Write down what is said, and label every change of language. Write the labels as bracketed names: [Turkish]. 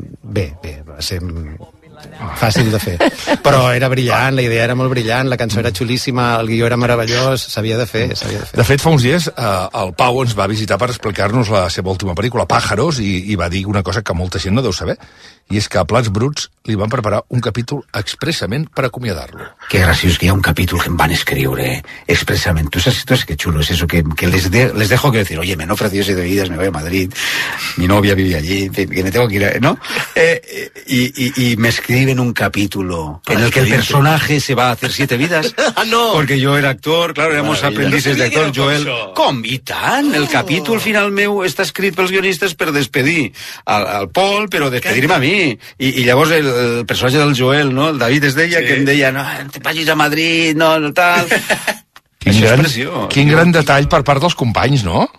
[Catalan] Bé, va ser... fàcil de fer, però era brillant, la idea era molt brillant, la cançó era xulíssima, el guió era meravellós, s'havia de fer. De fet, fa uns dies el Pau ens va visitar per explicar-nos la seva última pel·lícula, Pájaros, i va dir una cosa que molta gent no deu saber, i és que a Plats Bruts li van preparar un capítol expressament per acomiadar-lo. Que graciós, que hi ha un capítol que em van escriure expressament. Tu saps, que xulo és eso, [Spanish] que les dejo que decir, oye, me han ofrecido ese de vidas, me voy a Madrid, mi novia vive allí, que me tengo que ir, ¿no? Y me escriben un capítulo en el que el personaje se va a hacer siete vidas. ¡Ah, no! Porque yo era actor, claro, éramos aprendices de actor, Joel. [Catalan] ¡Com, i tant! El capítol final meu està escrit pels guionistes per despedir al Pol, però despedir-me a mi. I llavors el personatge del Joel, no? El David es deia, que em deia, no, te vagis a Madrid, no, no, tal... Quin gran detall per part dels companys, no?